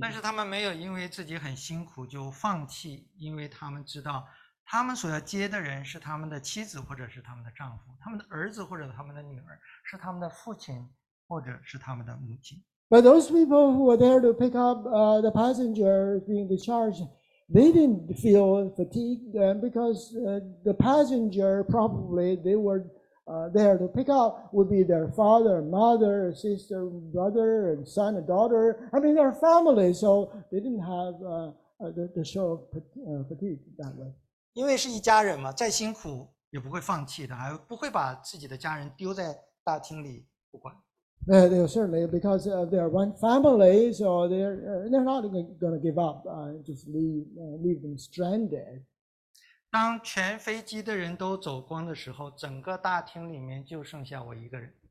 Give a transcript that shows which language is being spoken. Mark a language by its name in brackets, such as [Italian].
[Chinese] 但是他们没有因为自己很辛苦就放弃，因为他们知道他们所要接的人是他们的妻子或者是他们的丈夫，他们的儿子或者他们的女儿，是他们的父亲或者是他们的母亲。 [English] But those people who were there to pick up the passengers being discharged, They didn't feel fatigued because the passenger probably they were there to pick up would be their father, mother, sister, brother, and son, and daughter. I mean, their family, so they didn't have the show of fatigue that way. [Chinese] 因为是一家人嘛，再辛苦也不会放弃的，还不会把自己的家人丢在大厅里不管。 [English] They certainly, because they're one family, so they're not going to give up, just leave them stranded. [Chinese] 当全飞机的人都走光的时候，整个大厅里面就剩下我一个人。